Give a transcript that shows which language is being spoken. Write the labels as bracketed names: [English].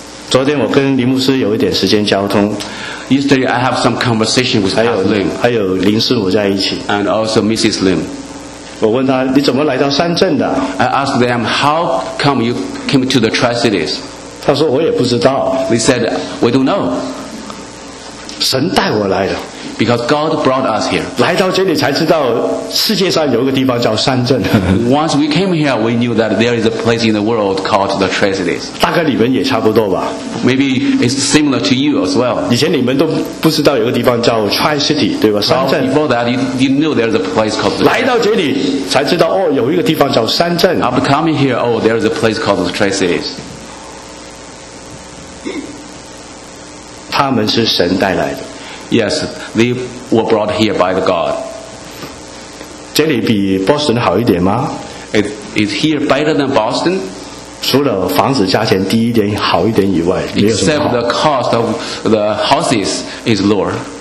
[Chinese] 昨天我跟林牧师有一点时间交通 [English] Yesterday I have some conversation with Pastor Lim [Chinese] 还有林师母在一起 [English] And also Mrs. Lim [Chinese] 我问他你怎么来到三镇的 [English] I asked them how come you came to the Tri-Cities [Chinese] 他说我也不知道 [English] They said we don't know [Chinese] 神带我来的 [English] Because God brought us here [Chinese] 来到这里才知道世界上有一个地方叫三镇 [English] Once we came here, we knew that there is a place in the world called the Tri-Cities. [Chinese] 大概你们也差不多吧。 [English] Maybe it's similar to you as well. [Chinese] 以前你们都不知道有个地方叫 Tri-City, 对吧？三镇。 [English] Before that, you knew there is a place called. [Chinese] 来到这里才知道哦，有一个地方叫三镇。 [English] After coming here, oh, there is a place called the Tri-Cities. [Chinese] 他们是神带来的。 [English] Yes, they were brought here by the God. [Chinese] 这里比 Boston 好一点吗 [English] Is here better than Boston? [Chinese] 除了房子价钱低一点好一点以外 [English] Except the cost of the houses is lower